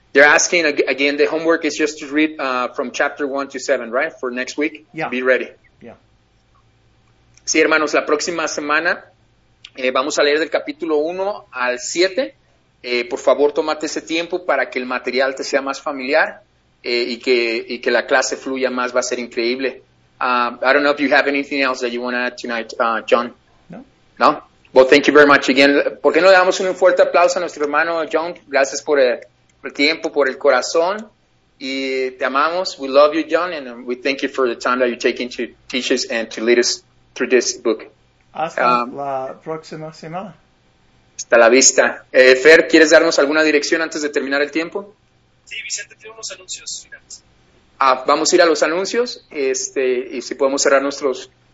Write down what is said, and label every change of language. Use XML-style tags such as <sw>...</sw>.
<en>They're asking, again, the homework is just to read from chapter 1 to 7, right? For next week? Yeah. Be ready.</en> <es>Sí, hermanos, la próxima semana vamos a leer del capítulo 1 al 7. Por favor, tómate ese tiempo para que el material te sea más familiar y que la clase fluya más. Va a ser increíble.</es> <en>I don't know if you have anything else that you want to add tonight, John. No. No? Well, thank you very much again.</en> <es>¿Por qué no le damos un fuerte aplauso a nuestro hermano John? Gracias por el tiempo, por el corazón. Y te amamos.</es> <en>We love you, John, and we thank you for the time that you're taking to teach us and to lead us through this book.</en> <es>Hasta la próxima semana. Hasta la vista. Fer, ¿quieres darnos alguna dirección antes de terminar el tiempo? Sí, Vicente, tiene unos anuncios finales. Ah, vamos a ir a los anuncios, y si podemos cerrar nuestros</es>